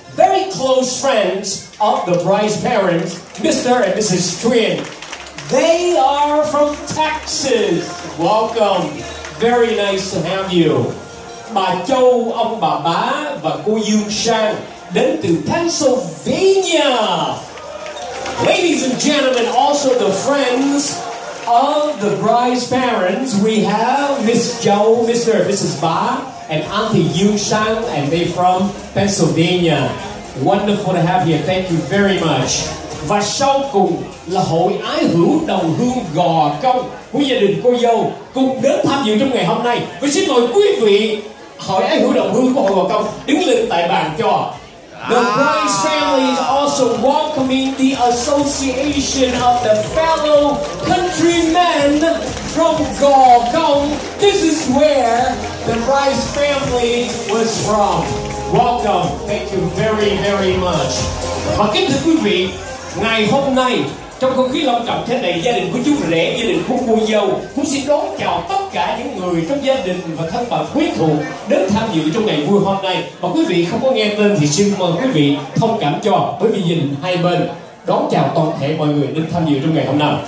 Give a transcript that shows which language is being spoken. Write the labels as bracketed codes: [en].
[en] Very close friends of the bride's parents, Mr. and Mrs. Truyền. They are from Texas. Welcome. Very nice to have you. [vi] Bà Châu, ông bà Bá và cô Dương Sang đến từ Pennsylvania. [en] Ladies and gentlemen, also the friends of the bride's parents, we have Miss Joe, Mr. and Mrs. Ba, and Auntie Yu Shan, and they from Pennsylvania. Wonderful to have you. Thank you very much. [vi] Và sau cùng là hội ái hữu đồng hương Gò Công của gia đình cô dâu cùng đến tham dự trong ngày hôm nay. Và xin mời quý vị hội ái hữu đồng hương của hội Gò Công đứng lên tại bàn cho. [en] The bride's family is also welcoming the association of the fellow countrymen from Gò Công. This is where the bride's family was from. Welcome. Thank you very, very much. [vi] Và kính thưa quý vị, ngày hôm nay, trong không khí long trọng thế này, gia đình của chú rể, gia đình của cô dâu cũng xin đón chào tất cả những người trong gia đình và thân bằng quý thuộc đến tham dự trong ngày vui hôm nay. Mà quý vị không có nghe tên thì xin mời quý vị thông cảm cho, bởi vì nhìn hai bên đón chào toàn thể mọi người đến tham dự trong ngày hôm nay.